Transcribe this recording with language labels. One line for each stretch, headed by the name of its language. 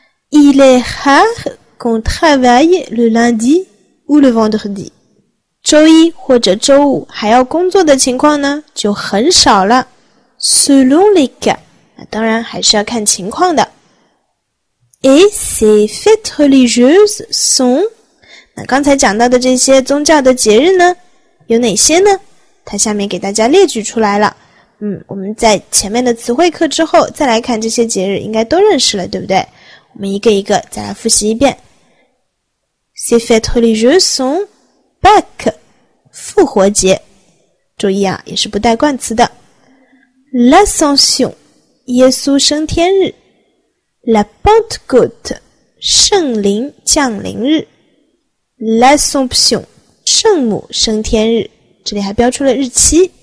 French: Il est rare qu'on travaille le lundi ou le vendredi.
Chinese: 周一或者周五还要工作的情况呢，就很少了。
French: Selon les cas,
Chinese: 那当然还是要看情况的。
French: Et ces fêtes religieuses sont,
Chinese: 那刚才讲到的这些宗教的节日呢，有哪些呢？它下面给大家列举出来了。我们在前面的词汇课之后再来看这些节日，应该都认识了，对不对？我们一个一个再来复习一遍。
French: Ces fêtes religieuses sont Pâques,
Chinese: 复活节。注意啊，也是不带冠词的。
French: L'Ascension,
Chinese: 耶稣升天日。
French: La Pentecôte,
Chinese: 圣灵降临日。
French: L'Assomption,
Chinese: 圣母升天日。这里还标出了日期